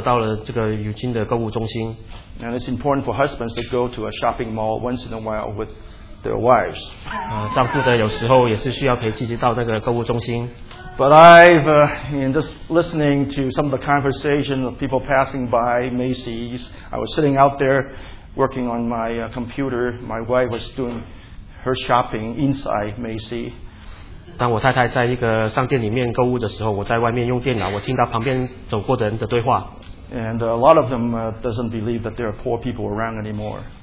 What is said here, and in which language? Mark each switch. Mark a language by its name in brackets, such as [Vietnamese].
[Chinese] 昨天我到了这个如今的购物中心。 [English] And it's important for husbands to go to a shopping mall once in a while with their wives. [Chinese] 丈夫的有时候也是需要陪妻子到那个购物中心。 [English] But I've, in just listening to some of the conversation of people passing by Macy's, I was sitting out there working on my computer. My wife was doing her shopping inside Macy's. [Chinese] 当我太太在一个商店里面购物的时候，我在外面用电脑，我听到旁边走过的人的对话。 [English] And a lot of them doesn't believe that there are poor people around anymore.